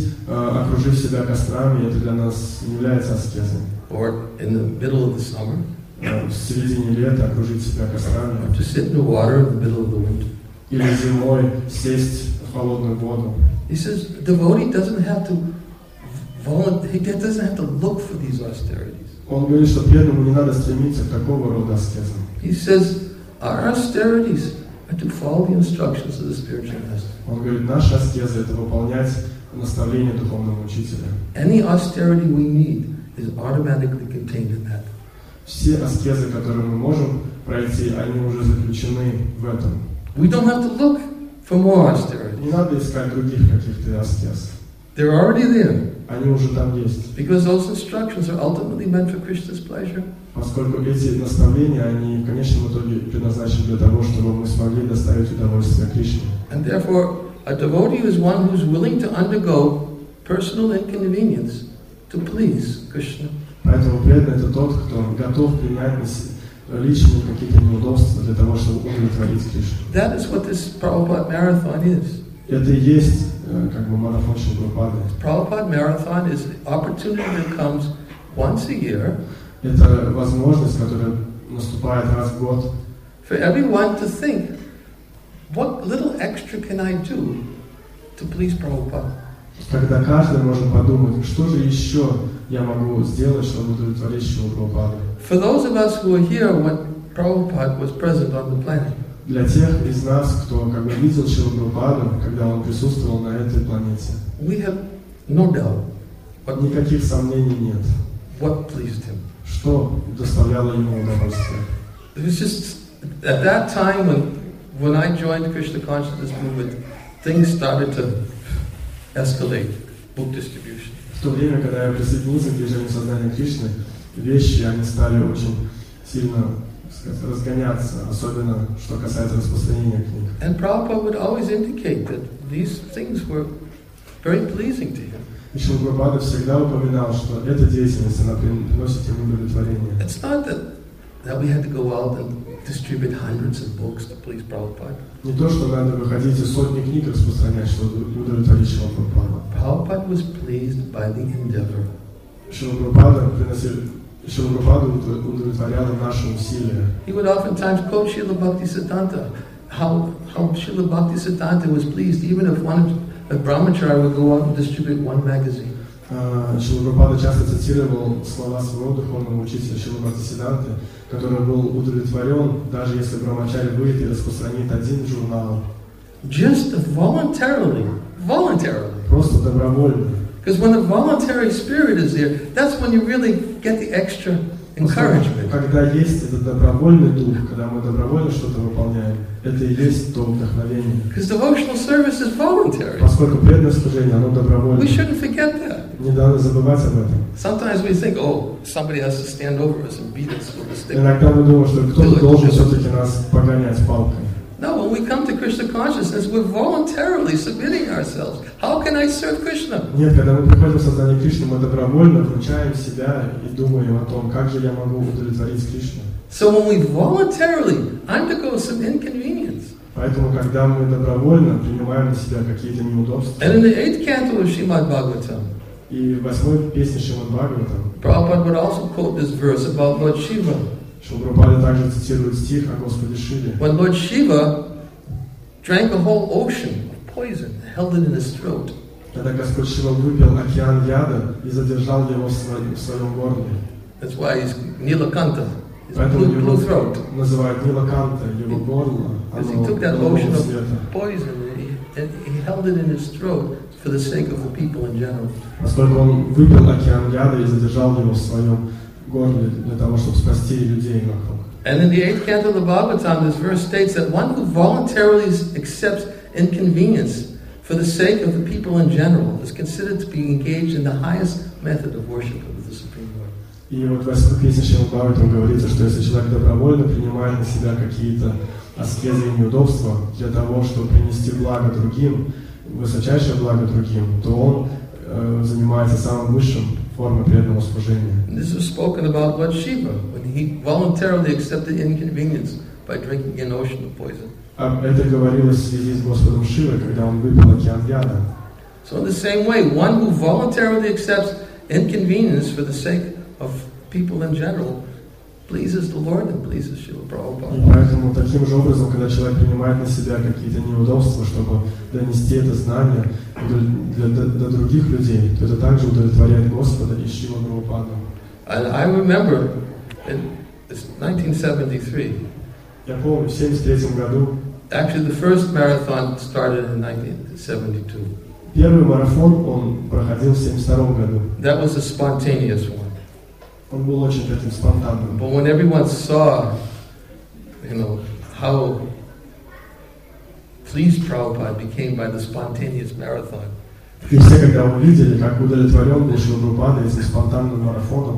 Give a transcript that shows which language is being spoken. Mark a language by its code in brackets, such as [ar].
[ru] Окружив себя кострами, это для нас не является аскезой. [en] Or in the middle of the summer. [ru] В середине лета окружить себя кострами. [en] Or to sit in the water in the middle of the winter. [ru] Или зимой сесть в холодную воду. [en] He says, devotee doesn't have to volunteer, he doesn't have to look for these austerities. [ru] Он говорит, что преданному не надо стремиться к такого рода аскезам. [en] He says, our austerities are to follow the instructions of the spiritual master. [ru] Он говорит, наша аскеза это выполнять наставление духовного учителя. [en] Any austerity we need is automatically contained in that. [ru] Все аскезы, которые мы можем пройти, они уже заключены в этом. [en] We don't have to look for more austerity. [ru] Не надо искать других каких-то аскез. [en] They're already there. [ru] Они уже там есть. [en] Because those instructions are ultimately meant for Krishna's pleasure. [ru] Поскольку эти наставления, они в конечном итоге предназначены для того, чтобы мы смогли доставить удовольствие Кришне. [en] And therefore, a devotee is one who is willing to undergo personal inconvenience to please Krishna. [ru] Поэтому преданный это тот, кто готов принять личные какие-то неудобства для того, чтобы удовлетворить Кришну. [en] That is what this Prabhupada marathon is. [ru] Это и есть как бы марафон Шрилы Прабхупады. [en] Prabhupada marathon is an opportunity that comes once a year. [ru] Это возможность, которая наступает раз в год. [en] For everyone to think. What little extra can I do to please Prabhupada? [ru] Когда каждый может подумать, что же еще я могу сделать, чтобы удовлетворить Шрилу Прабхупаду? [en] For those of us who were here when Prabhupada was present on the planet. [ru] Для тех из нас, кто как бы видел Шрилу Прабхупаду, когда он присутствовал на этой планете. [en] We have no doubt. What [ru] никаких сомнений нет. [en] What pleased him? [ru] Что доставляло ему удовольствие? [en] It was just at that time when I joined Krishna Consciousness Movement, things started to escalate, book distribution. [ru] В то время, когда я присоединился к движению сознания Кришны, вещи, они стали очень сильно разгоняться, особенно что касается распространения книг. [en] And Prabhupada would always indicate that these things were very pleasing to him. [ru] И Шрила Прабхупада всегда упоминал, что эта деятельность, она приносит ему удовлетворение. [en] It's not that we had to go out and distribute hundreds of books to please Prabhupada. [ru] Не то, что надо выходить и сотни книг распространять, чтобы удовлетворить Шрилу Прабхупаду. [en] Prabhupada was pleased by the endeavor. [ru] Шрила Прабхупада удовлетворяла наши усилия. [en] He would oftentimes quote Srila Bhaktisiddhanta, how Srila Bhaktisiddhanta was pleased, even if a brahmachari would go out and distribute one magazine. [ru] Шрила Прабхупада часто цитировал слова своего духовного учителя Шрилы Бхактисиддханты, который был удовлетворен, даже если брахмачари выйдет и распространит один журнал. [en] Just voluntarily. [ru] Просто добровольно. [en] Because when the voluntary spirit is there, that's when you really get the extra encouragement. [ru] Когда есть этот добровольный дух, когда мы добровольно что-то выполняем, это и есть то вдохновение. [en] Because devotional service is voluntary. [ru] Поскольку преданное служение, оно добровольное. [en] We shouldn't forget that. [ru] Не надо забывать об этом. [en] Sometimes we think, oh, somebody has to stand over us and beat us with a stick. [ru] Иногда мы думаем, что кто-то должен все-таки нас погонять палкой. [en] No, when we come to Krishna consciousness, we're voluntarily submitting ourselves. How can I serve Krishna? [ru] Нет, когда мы приходим в сознание Кришны, мы добровольно включаем себя и думаем о том, как же я могу удовлетворить Кришну. [en] So when we voluntarily undergo some inconvenience. [ru] Поэтому, когда мы добровольно принимаем на себя какие-то неудобства. [en] And in the eighth canto of Srimad Bhagavatam. [ru] И в восьмой песне Шримад Бхагаватам. [en] Prabhupada would also quote this verse about Lord Shiva. [ru] Шрила Прабхупада также цитирует стих о Господе Шиве. [en] When Lord Shiva drank a whole ocean of poison, held it in his throat. [ru] Когда Господь Шива выпил океан яда и задержал его в своем горле. [en] That's why he's Nilakanta. his blue throat. [ru] Называют не лаканта его горло, а [en] he took that lotion of poison and he held it in his throat for the sake of the people in general. [ru] Поскольку он выпил океан яда и задержал его в своем горле для того, чтобы спасти людей вокруг. [en] And in the eighth canto of the Bhagavatam, this verse states that one who voluntarily accepts inconvenience for the sake of the people in general is considered to be engaged in the highest method of worship of the Supreme Lord. [ru] И вот в восьмом песне Шримад Бхагаватам говорится, что если человек добровольно принимает на себя какие-то аскезы и неудобства для того, чтобы принести благо другим, высочайшее благо другим, то он занимается самым высшим формой преданного служения. [en] This was spoken about Lord Shiva when he voluntarily accepted inconvenience by drinking an ocean of poison. [ru] Это говорилось в связи с Господом Шивой, когда он выпил океан яда. [en] So in the same way, one who voluntarily accepts inconvenience for the sake of people in general pleases the Lord and pleases Srila Prabhupada. [ru] Поэтому таким же образом, когда человек принимает на себя какие-то неудобства, чтобы донести это знание до других людей, то это также удовлетворяет Господа и Шрилу Прабхупаду. [en] And I remember in 1973. [ru] Я помню, в 73-м году. [en] Actually, the first marathon started in 1972. [ru] Первый марафон он проходил в 72-м году. [en] That was a spontaneous one. [ru] Он был очень таким спонтанным. [en] But when everyone saw, you know, how pleased Prabhupada became by the spontaneous marathon. [ru] И все когда увидели, как удовлетворен был Шрила Прабхупада этим спонтанным марафоном.